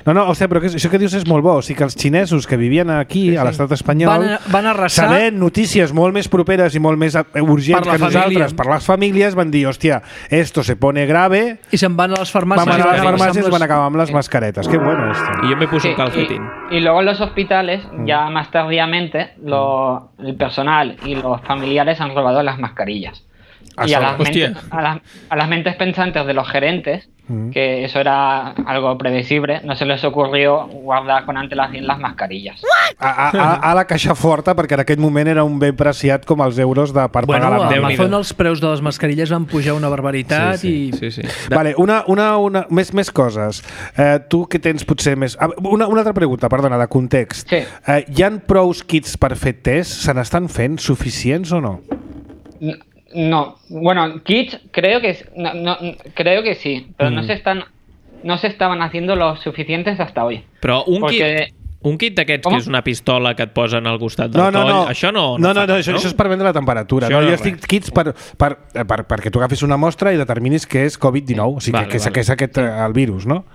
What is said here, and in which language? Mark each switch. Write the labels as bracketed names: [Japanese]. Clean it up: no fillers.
[Catalan] No, o sigui, però això que dius és molt bo. O sigui, que els xinesos que vivien aquí, sí, sí, a l'estat espanyol, van arrasar... Sabent notícies molt més properes i molt més urgents que nosaltres, per les famílies, van dir, hòstia, [Spanish] esto se pone grave... [Catalan] I se'n van a les farmàcies. Van a les farmàcies i van acabar amb les mascaretes. [Spanish] Qué bueno, esto. [Catalan] I jo [Spanish] me puse un calcetín. Y luego en los hospitales, ya más tardíamente, el personal y los familiares han robado las mascarillas. y a las, mentes pensantes de los gerentes, que eso era algo predecible, no se les ocurrió guardar con antelación las mascarillas. [Catalan] A la caixa forta, perquè en aquest moment era un bé preciat com els euros de per bueno, pagar la banda. Bueno, a Amazon els preus de les mascarilles van pujar una barbaritat. Sí, sí. I... sí, sí. Vale, una més coses. Tu que tens potser més... Una altra pregunta, perdona, de context. Sí. Hi han prou kits per fer test? Se n'estan fent suficients o no? [Spanish] No, bueno, kits creo que creo que sí, pero no se estaban haciendo los suficientes hasta hoy. [Catalan] Pero un kit d'aquests que és una pistola que et posen al costat del coll, això no, això és per vendre la temperatura. No? Jo estic kits perquè tu agafis una mostra i determinis que és Covid-19, o sigui que és aquest el virus, no?